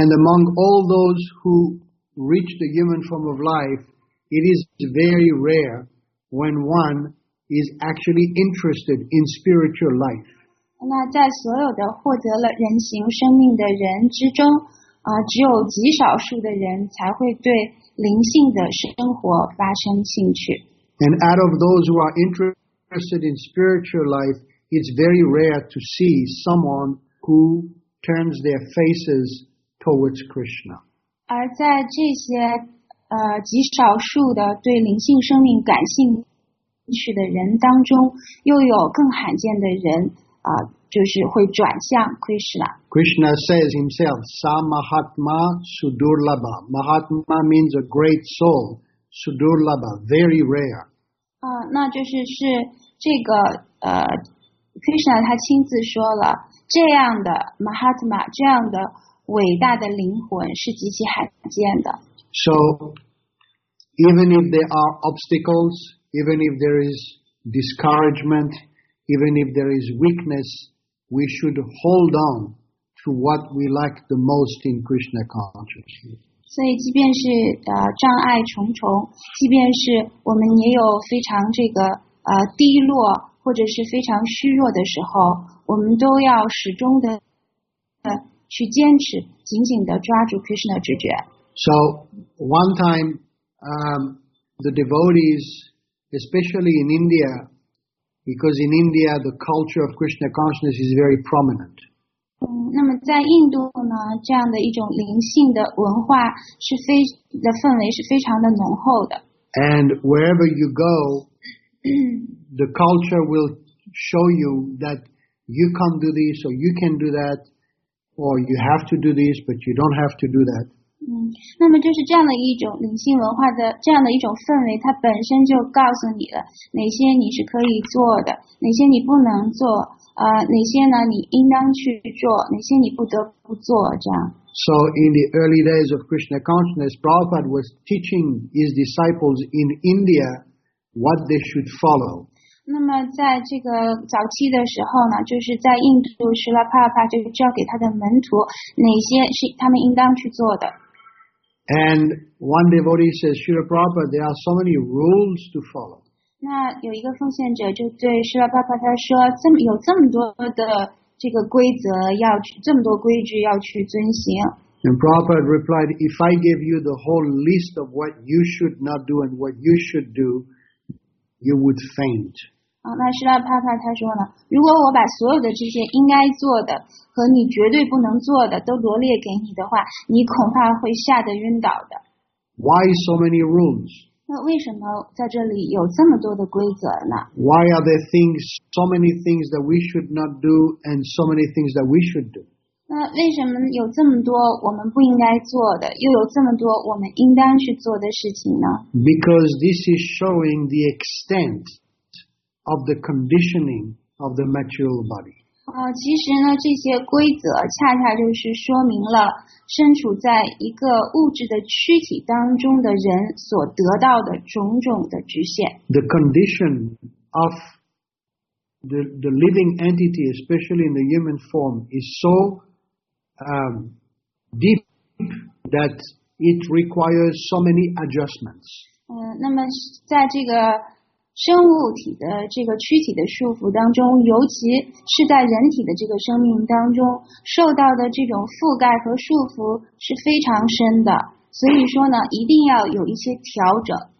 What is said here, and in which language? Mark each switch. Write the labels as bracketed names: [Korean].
[English] And among all those who reach the human form of life, it is very rare when one is actually interested in spiritual life. [Chinese] 那在所有的获得了人形生命的人之中，只有极少数的人才会对灵性的生活发生兴趣。 [English] And out of those who are interested in spiritual life, it's very rare to see someone who turns their faces towards Krishna. [Chinese] 而在这些极少数的对灵性生命感兴趣的人当中，又有更罕见的人就是会转向 Krishna。 [English] Krishna says himself, [Sanskrit] Sa Mahatma Sudurlabha. [English] Mahatma means a great soul. Sudurlabha, very rare. [Chinese] 那就是这个Krishna 他亲自说了，这样的 Mahatma, 这样的伟大的灵魂是极其罕见的。 [English] So, even if there are obstacles, even if there is discouragement, even if there is weakness, we should hold on to what we like the most in Krishna consciousness. [Chinese] 所以，即便是障碍重重，即便是我们也有非常这个低落或者是非常虚弱的时候，我们都要始终的。去坚持，紧紧地抓住 Krishna 知觉。 [English] So one time, the devotees, especially in India, because in India the culture of Krishna consciousness is very prominent. [Chinese] 那么在印度呢，这样的一种灵性的文化是的氛围是非常的浓厚的。 [English] And wherever you go, the culture will show you that you can do this or you can do that.Or you have to do this, but you don't have to do that. [Chinese] 那么就是这样的一种灵性文化的这样的一种氛围，它本身就告诉你了哪些你是可以做的，哪些你不能做，哪些呢你应当去做，哪些你不得不做，这样。 [English] So in the early days of Krishna consciousness, Prabhupada was teaching his disciples in India what they should follow. [Chinese] 那么在这个早期的时候呢，就是在印度，释迦帕帕就教给他的门徒哪些是他们应当去做的。 [English] And one devotee says, Srila Prabhupada, there are so many rules to follow. [Chinese] 那有一个奉献者就对释迦帕帕他说，有这么多的这个规则要去，这么多规矩要去遵行。 [English] And Prabhupada replied, if I give you the whole list of what you should not do and what you should do, you would faint. [Chinese] 那释迦帕帕他说呢，如果我把所有的这些应该做的和你绝对不能做的都罗列给你的话，你恐怕会吓得晕倒的。 [English] Why so many rules? [Chinese] 那为什么在这里有这么多的规则呢？ [English] Why are there things, so many things that we should not do and so many things that we should do? [Chinese] 那为什么有这么多我们不应该做的，又有这么多我们应当去做的事情呢？ [English] Because this is showing the extent of the conditioning of the material body. [Chinese] 其实呢这些规则恰恰就是说明了身处在一个物质的躯体当中的人所得到的种种的局限。 [English] The condition of the living entity, especially in the human form, is so deep that it requires so many adjustments. [Chinese] 那么在这个生物体的这个躯体的束缚当中，尤其是在人体的这个生命当中受到的这种覆盖和束缚是非常深的，所以说呢一定要有一些调整。